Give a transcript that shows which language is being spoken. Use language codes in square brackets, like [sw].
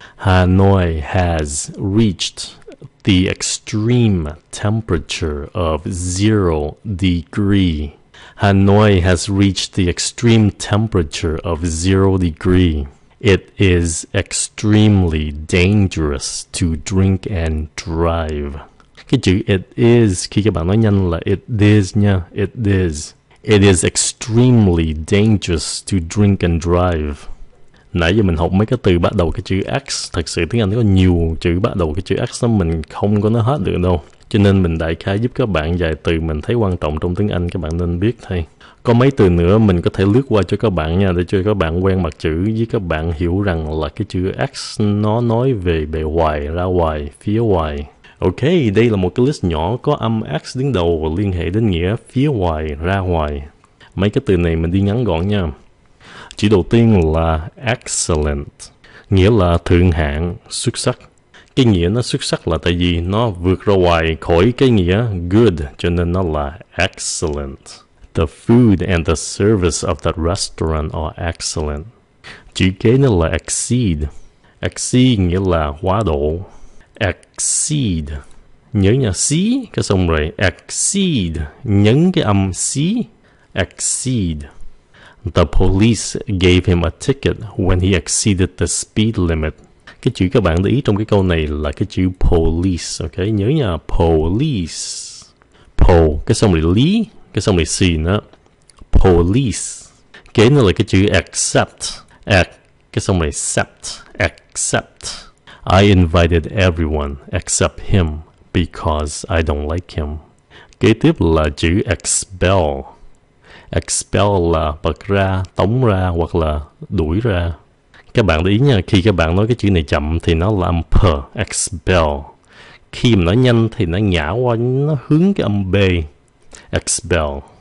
[en] Hanoi has reached the extreme temperature of 0 degree. Hanoi has reached the extreme temperature of 0 degree. It is extremely dangerous to drink and drive. [vi] Cái chữ it is, khi các bạn nói nhanh là it is nha, it is. [en] It is extremely dangerous to drink and drive. [vi] Nãy giờ mình học mấy cái từ bắt đầu cái chữ X. Thật sự tiếng Anh có nhiều chữ bắt đầu cái chữ X đó, mình không có nói hết được đâu. Cho nên mình đại khái giúp các bạn vài từ mình thấy quan trọng trong tiếng Anh các bạn nên biết thôi. Có mấy từ nữa mình có thể lướt qua cho các bạn nha, để cho các bạn quen mặt chữ với các bạn hiểu rằng là cái chữ X nó nói về bề ngoài, ra ngoài, phía ngoài. Ok, đây là một cái list nhỏ có âm X đứng đầu liên hệ đến nghĩa phía ngoài, ra ngoài. Mấy cái từ này mình đi ngắn gọn nha. Chữ đầu tiên là excellent, nghĩa là thượng hạng, xuất sắc. Cái nghĩa nó xuất sắc là tại vì nó vượt ra ngoài khỏi cái nghĩa good, cho nên nó là excellent. [en] The food and the service of that restaurant are excellent. [vi] Chữ kế nữa là exceed. Exceed nghĩa là quá độ. Exceed. Nhớ nha, xí, cái xong rồi. Exceed. Nhấn cái âm xí. Exceed. [en] The police gave him a ticket when he exceeded the speed limit. [vi] Cái chữ các bạn để ý trong cái câu này là cái chữ police, ok? Nhớ nha, police. Po, cái xong rồi lý, cái xong rồi xin á. Police. Kế nữa là cái chữ accept. Cái xong rồi accept. Accept. [en] I invited everyone except him because I don't like him. [vi] Kế tiếp là chữ expel. Expel là bật ra, tống ra hoặc là đuổi ra. Các bạn để ý nha, khi các bạn nói cái chữ này chậm thì nó là âm p, expel. Khi mà nói nhanh thì nó nhả qua, nó hướng cái âm b, expel.